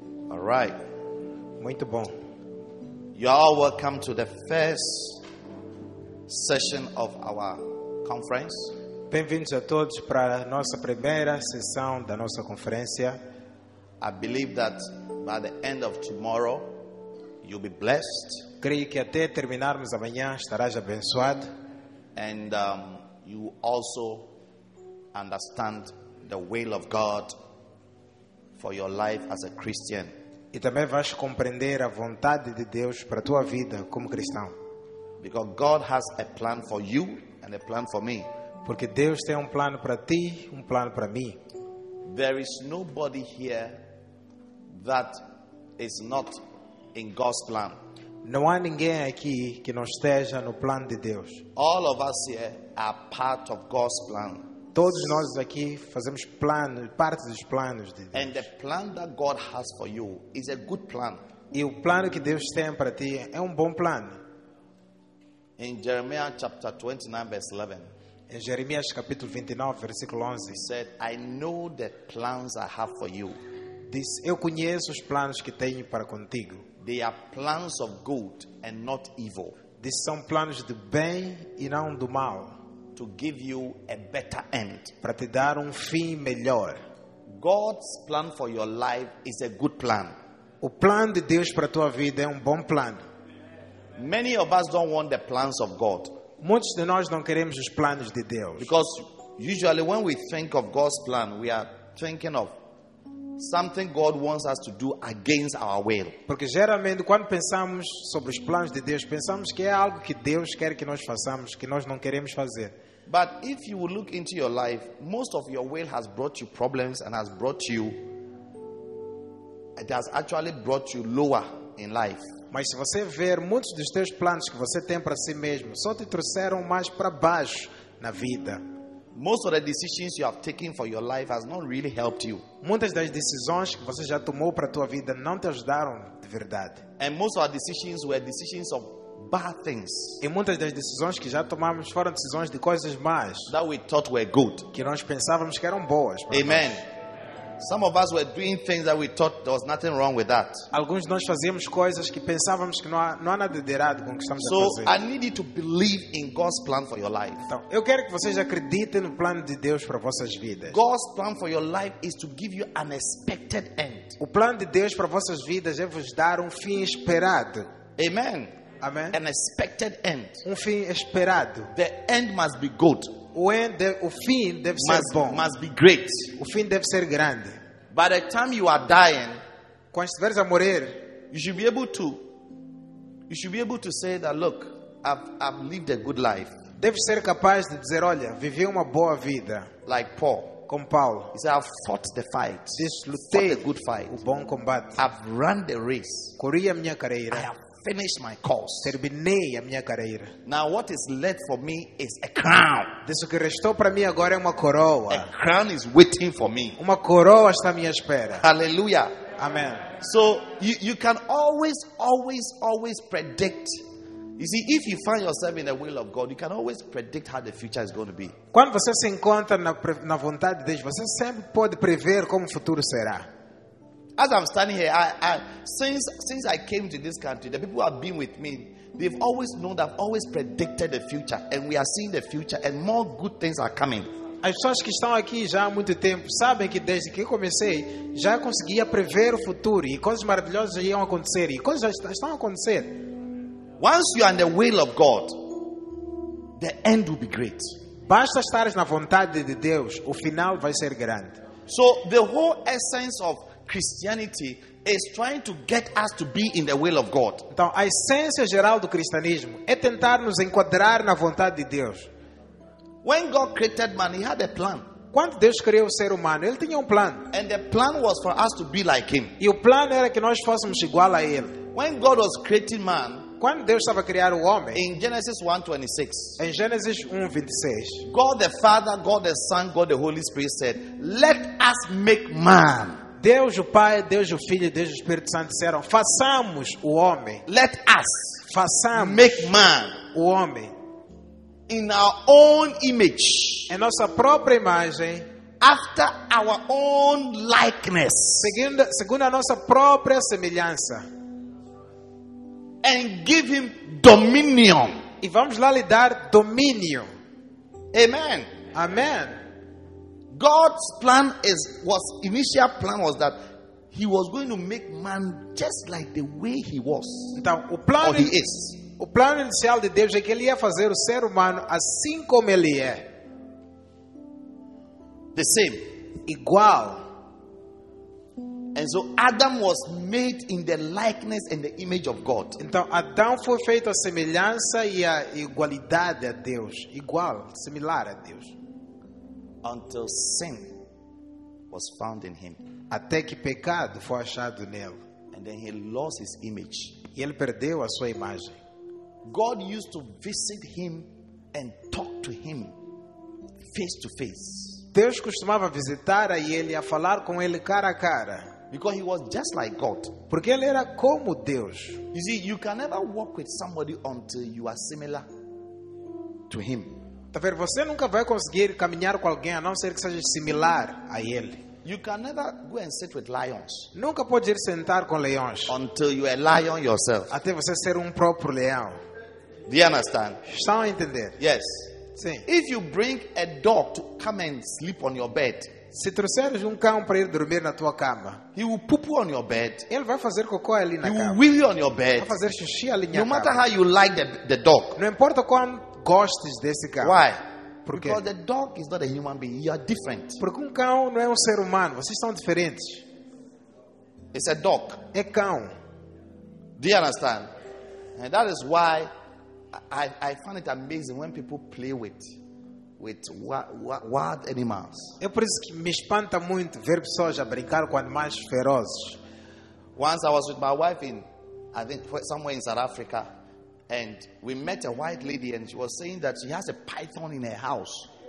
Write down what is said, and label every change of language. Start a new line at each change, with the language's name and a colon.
English: All right.
Portuguese: Muito bom.
English: You are all welcome to the first session of our conference.
Portuguese: Bem-vindos a todos para a nossa primeira sessão da nossa conferência.
English: I believe that by the end of tomorrow, you'll be blessed.
Portuguese: Creio que até terminarmos amanhã estarás abençoado.
English: And you also understand the will of God for your life as a Christian.
Portuguese: E também vais compreender a vontade de Deus para a tua vida como cristão.
English: Because God has a plan for you and a plan for me.
Portuguese: Porque Deus tem plano para ti, plano para mim.
English: There is nobody here that is not in God's plan.
Portuguese: Não há ninguém aqui que não esteja no plano de Deus.
English: All of us here are part of God's plan.
Portuguese: Todos nós aqui fazemos parte dos planos de Deus.
English: And the plan that God has for you is a good plan.
Portuguese: E o plano que Deus tem para ti é bom plano.
English: In Jeremiah chapter 29 verse 11.
Portuguese: Em Jeremias capítulo 29 versículo 11,
English: he said, "I know the plans I have for you."
Portuguese: Diz, eu conheço os planos que tenho para contigo.
English: They are plans of good and not evil.
Portuguese: Diz, são planos de bem e não do mal.
English: To give you a better end.
Portuguese: Para te dar fim melhor.
English: God's plan for your life is a good plan.
Portuguese: O plano de Deus para tua vida é bom plano.
English: Many of us don't want the plans of God.
Portuguese: Muitos de nós não queremos os planos de Deus.
English: Because usually when we think of God's plan, we are thinking of something God wants us to do against our will.
Portuguese: Porque geralmente quando pensamos sobre os planos de Deus, pensamos que é algo que Deus quer que nós façamos, que nós não queremos fazer.
English: But if you look into your life, most of your will has brought you problems and has brought you, it has actually brought you lower in life.
Portuguese: Mas se você ver muitos dos teus planos que você tem para si mesmo, só te trouxeram mais para baixo na vida.
English: Most of the decisions you have taken for your life has not really helped you.
Portuguese: Muitas das decisões que você já tomou para tua vida não te ajudaram de verdade.
English: And most of our decisions were decisions of bad things.
Portuguese: E muitas das decisões que já tomamos foram decisões de coisas más.
English: That we thought were good.
Portuguese: Que nós pensávamos que eram boas.
English: Amen.
Portuguese: Nós.
English: Some of us were doing things that we thought there was nothing wrong with that.
Portuguese: Alguns de nós fazíamos coisas que pensávamos que não há nada de errado com o que estamos so, a fazer.
English: So I need you to believe in God's plan for your life.
Portuguese: Então, eu quero que vocês acreditem no plano de Deus para vossas vidas.
English: God's plan for your life is to give you an expected end.
Portuguese: O plano de Deus para vossas vidas é vos dar fim esperado.
English: Amen.
Portuguese: Amen.
English: An expected end.
Portuguese: Fim esperado.
English: The end must be good.
Portuguese: O fim deve ser bom.
English: Must be great.
Portuguese: O fim deve ser grande.
English: By the time you are dying,
Portuguese: quando estiveres a morrer,
English: you should be able to say that look, I've lived a good life.
Portuguese: Deve ser capaz de dizer, olha, vivi boa vida.
English: Like Paul.
Portuguese: Como Paulo.
English: He said, I've fought the fight.
Portuguese: Lutei
English: a good fight.
Portuguese: O bom combate.
English: I've run the race.
Portuguese: Corri a minha carreira.
English: Finish my course.
Portuguese: Terminei a minha carreira.
English: Now what is left for me is a crown.
Portuguese: O que restou para mim agora é uma coroa.
English: A crown is waiting for me.
Portuguese: Uma coroa está à minha espera.
English: Hallelujah.
Portuguese: Amen.
English: So you can always predict. You see, if you find yourself in the will of God, you can always predict how the future is going to be.
Portuguese: Quando você se encontra na vontade de Deus, você sempre pode prever como o futuro será.
English: As I'm standing here, since I came to this country, the people who have been with me, they've always known that I've always predicted the future, and we are seeing the future, and more good things are coming.
Portuguese: As pessoas que estão aqui já há muito tempo sabem que desde que eu comecei já conseguia prever o futuro e coisas maravilhosas iam acontecer e coisas já estão a acontecer.
English: Once you are in the will of God, the end will be great.
Portuguese: Basta estar na vontade de Deus, o final vai ser grande.
English: So the whole essence of Christianity is trying to get us to be in the will of God.
Portuguese: Então, a essência geral do cristianismo é tentar nos enquadrar na vontade de Deus.
English: When God created man, he had a plan.
Portuguese: Quando Deus criou o ser humano, ele tinha plano.
English: And the plan was for us to be like him.
Portuguese: E o plano era que nós fôssemos igual a ele.
English: When God was creating man,
Portuguese: quando Deus estava a criar o homem,
English: in Genesis 1:26,
Portuguese: em Gênesis 1:26,
English: God the Father, God the Son, God the Holy Spirit said, "Let us make man."
Portuguese: Deus o Pai, Deus o Filho, Deus o Espírito Santo disseram, façamos o homem.
English: Let us,
Portuguese: façamos,
English: make man,
Portuguese: o homem,
English: in our own image,
Portuguese: em nossa própria imagem,
English: after our own likeness,
Portuguese: segundo a nossa própria semelhança,
English: and give him dominion.
Portuguese: E vamos lá lhe dar domínio.
English: Amen.
Portuguese: Amen.
English: God's plan was that he was going to make man just like the way he was.
Portuguese: Então, o plano,
English: or he is.
Portuguese: O plano inicial de Deus é que ele ia fazer o ser humano assim como ele é.
English: The same.
Portuguese: Igual.
English: And so Adam was made in the likeness and the image of God.
Portuguese: Então Adão foi feito a semelhança e a igualdade a Deus, igual, similar a Deus.
English: Until sin was found in him.
Portuguese: Até que pecado foi achado nele.
English: And then he lost his image.
Portuguese: E ele perdeu a sua imagem.
English: God used to visit him and talk to him face to face.
Portuguese: Deus costumava visitar a ele e a falar com ele cara a cara.
English: Because he was just like God.
Portuguese: Porque ele era como Deus.
English: You see, you can never walk with somebody until you are similar to him.
Portuguese: Tá vendo? Você nunca vai conseguir caminhar com alguém a não ser que seja similar a ele.
English: You can never go and sit with lions.
Portuguese: Nunca pode ir sentar com leões.
English: Until you are a lion yourself.
Portuguese: Até você ser próprio leão.
English: Do you understand?
Portuguese: Estão a entender?
English: Yes.
Portuguese: Sim.
English: If you bring a dog to come and sleep on your bed,
Portuguese: se trouxeres cão para ir dormir na tua cama,
English: he will poop on your bed.
Portuguese: Ele vai fazer cocô ali na he cama.
English: He will wee on your bed.
Portuguese: Vai fazer xixi ali na no cama.
English: Matter how you like the dog.
Portuguese: Não importa quão gostes desse cão.
English: Why?
Portuguese: Porque?
English: Because the dog is not a human being. You are different.
Portuguese: Porque cão não é ser humano. Vocês são diferentes.
English: It's a dog.
Portuguese: É cão.
English: Do you understand? And that is why I find it amazing when people play with wild animals.
Portuguese: É por isso que me espanta muito ver pessoas a brincar com animais ferozes.
English: Once I was with my wife in, I think, somewhere in South Africa, and we met a white lady, and she was saying that she has a python in her house.